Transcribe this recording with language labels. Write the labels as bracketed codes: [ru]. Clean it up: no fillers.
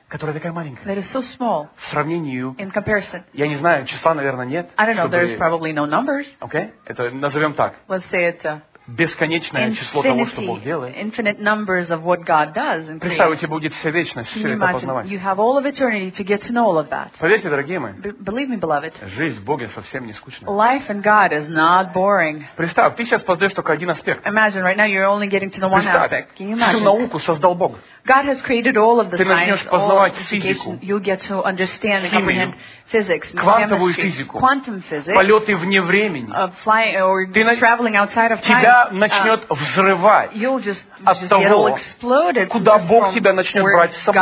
[ru] которая такая маленькая. [en] That is so small, [ru] в сравнении, [en] in comparison, [ru] я не знаю, числа, наверное, нет. [en] I don't know, [ru] чтобы [en] there's probably no numbers. Okay? [ru] Это назовем так. [en] Let's say it's a [ru] бесконечное [en] infinity, [ru] число того, что Бог делает. [en] Infinite numbers of what God does and creates. [ru] Представьте, будет вся вечность, все это познавать. [en] You have all of eternity to get to know all of that. [ru] Поверьте, дорогие мои, [en] believe me, beloved, [ru] жизнь в Боге совсем не скучна. [en] Life in God is not boring. [ru] Представь, ты сейчас познаешь только один аспект. [en] Imagine, right now you're only getting to know one aspect. Can you imagine? [ru] Всю науку создал Бог. [en] God has created all of the [ru] ты начнешь познавать физику, [en] you'll get to understand [ru] химию, [en] and comprehend physics, [ru] квантовую физику, [en] quantum physics, [ru] полеты вне времени, [en] traveling outside of time, [ru] тебя начнет взрывать [en] you'll just [ru] от того, [en] get all exploded, [ru] куда Бог тебя начнет брать с собой.